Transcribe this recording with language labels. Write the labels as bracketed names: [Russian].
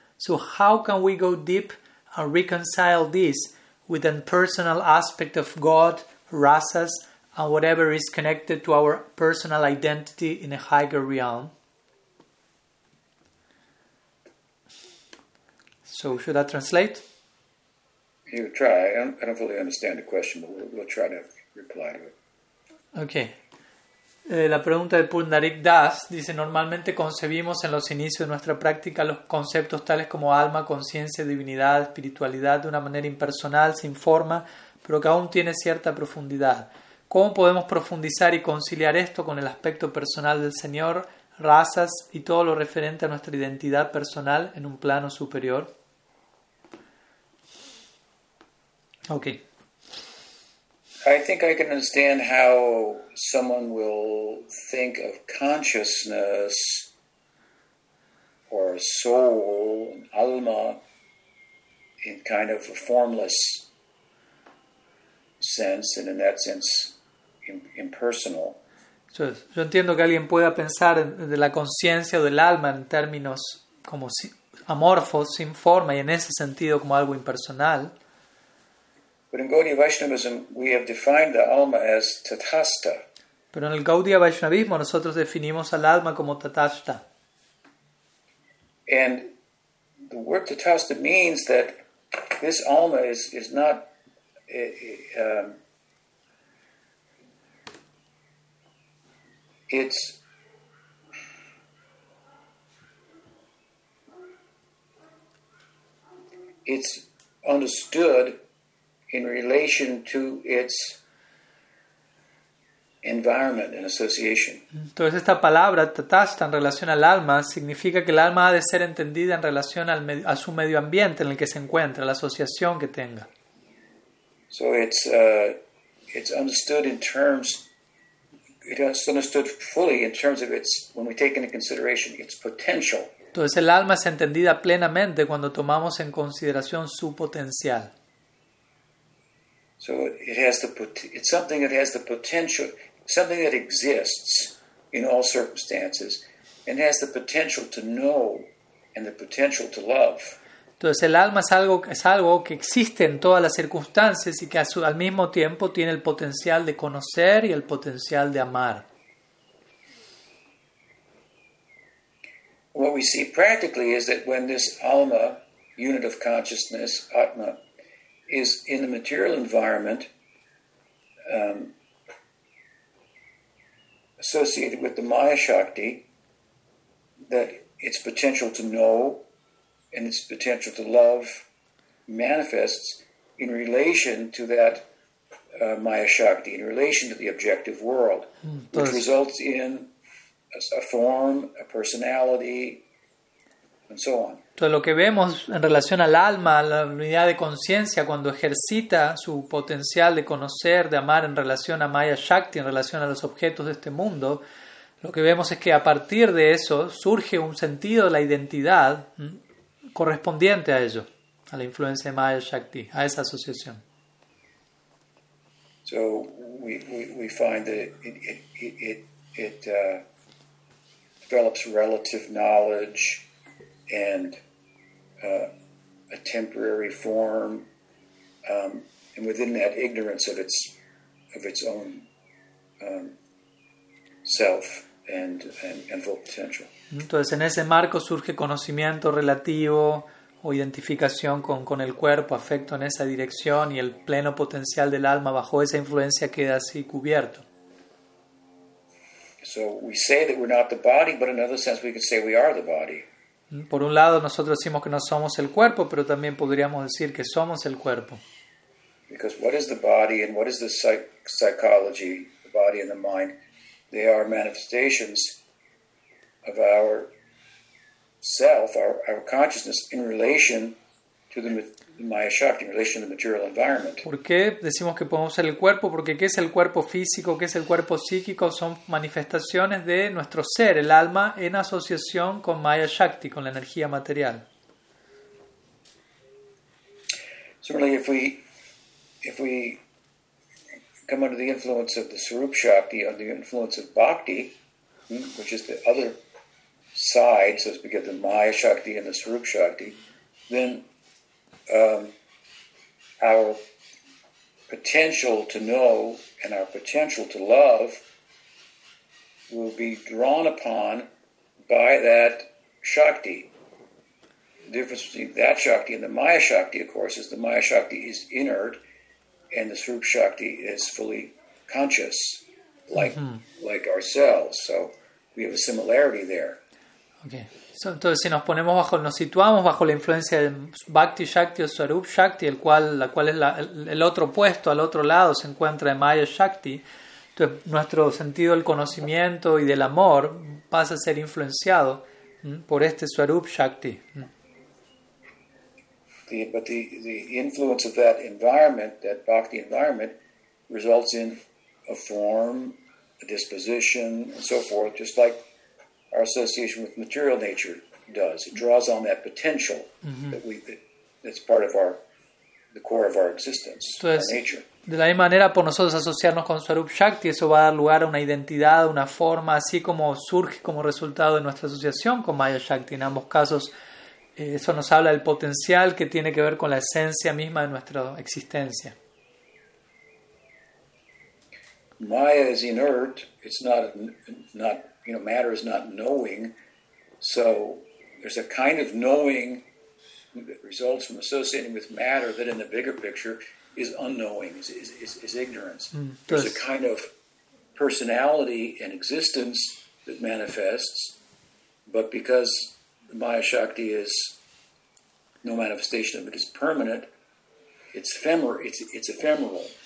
[English] So how can we go deep and reconcile this with an personal aspect of God, rasas, and whatever is connected to our personal identity in a higher realm? So should I translate? You try. I don't fully understand the question, but we'll try to reply to it. Okay. [Spanish] La pregunta de Pundarik Das dice, normalmente concebimos en los inicios de nuestra práctica los conceptos tales como alma, conciencia, divinidad, espiritualidad, de una manera impersonal, sin forma, pero que aún tiene cierta profundidad. ¿Cómo podemos profundizar y conciliar esto con el aspecto personal del Señor, razas y todo lo referente a nuestra identidad personal en un plano superior? [English] Okay. I think I can understand how someone will think of consciousness or soul, alma, in kind of a formless sense, and in that sense, impersonal. [Spanish] So, yo entiendo que alguien pueda pensar de la conciencia o del alma en términos como amorfos, sin forma, y en ese sentido como algo impersonal. [English] But in Gaudiya Vaishnavism, we have defined the alma as tathasta. [Spanish] Pero en el Gaudiya Vaishnavismo, nosotros definimos al alma como tathasta. [English] And the word tathasta means that this alma is not it's understood in relation to its environment and association. [Spanish] Entonces esta palabra tathasta en relación al alma significa que el alma ha de ser entendida en relación al a su medio ambiente en el que se encuentra, la asociación que tenga. [English] So it's understood in terms, it's understood fully in terms of its, when we take into consideration its potential. [Spanish] Entonces el alma es entendida plenamente cuando tomamos en consideración su potencial. [English] So it has the it's something that has the potential, something that exists in all circumstances, and has the potential to know and the potential to love. [Spanish] Entonces el alma es algo que existe en todas las circunstancias y que al mismo tiempo tiene el potencial de conocer y el potencial de amar. [English] What we see practically is that when this alma, unit of consciousness, atma, is in the material environment associated with the Maya Shakti, that its potential to know and its potential to love manifests in relation to that Maya Shakti, in relation to the objective world, which results in a form, a personality, and so on. [Spanish] Entonces lo que vemos en relación al alma, a la unidad de conciencia, cuando ejercita su potencial de conocer, de amar en relación a Maya Shakti, en relación a los objetos de este mundo, lo que vemos es que a partir de eso surge un sentido de la identidad correspondiente a ello, a la influencia de Maya Shakti, a esa asociación. [English] So we find that it develops relative knowledge and a temporary form, and within that ignorance of its own self and full potential. [Spanish] Entonces, en ese marco surge conocimiento relativo o identificación con el cuerpo, afecto en esa dirección y el pleno potencial del alma bajo esa influencia queda así cubierto. [English] So we say that we're not the body, but in another sense we can say we are the body. [Spanish] Por un lado, nosotros decimos que no somos el cuerpo, pero también podríamos decir que somos el cuerpo. [English] Because what is the body and what is the psychology, the body and the mind? They are manifestations of our self, our consciousness in relation to the Maya Shakti in relation to the material environment. [Spanish] ¿Por qué decimos que podemos ser el cuerpo? Porque ¿qué es el cuerpo físico? ¿Qué es el cuerpo psíquico? Son manifestaciones de nuestro ser, el alma, en asociación con Maya Shakti, con la energía material. [English] Certainly, if we come under the influence of the Swarup Shakti, under the influence of Bhakti, which is the other side, so we get the Maya Shakti and the Swarup Shakti, then our potential to know and our potential to love will be drawn upon by that Shakti. The difference between that Shakti and the Maya Shakti, of course, is the Maya Shakti is inert and the Swarup Shakti is fully conscious, like ourselves. So we have a similarity there. Okay. [Spanish] So, entonces, si nos situamos bajo la influencia de Bhakti Shakti o Swarup Shakti, el otro opuesto, al otro lado, se encuentra en Maya Shakti, entonces nuestro sentido del conocimiento y del amor pasa a ser influenciado por este Swarup Shakti. [English] But the influence of that environment, that Bhakti environment, results in a form, a disposition, and so forth, just like our association with material nature does. It draws on that potential that's part of the core of our existence. [Spanish] Entonces, [English] our nature. [Spanish] De la misma manera, por nosotros asociarnos con Swarup Shakti, eso va a dar lugar a una identidad, una forma, así como surge como resultado de nuestra asociación con Maya Shakti. En ambos casos, eso nos habla del potencial que tiene que ver con la esencia misma de nuestra existencia. [English] Maya is inert. It's not you know, matter is not knowing, so there's a kind of knowing that results from associating with matter that in the bigger picture is unknowing, is ignorance. There's a kind of personality and existence that manifests, but because the Maya Shakti is no manifestation of it, is permanent, it's ephemeral.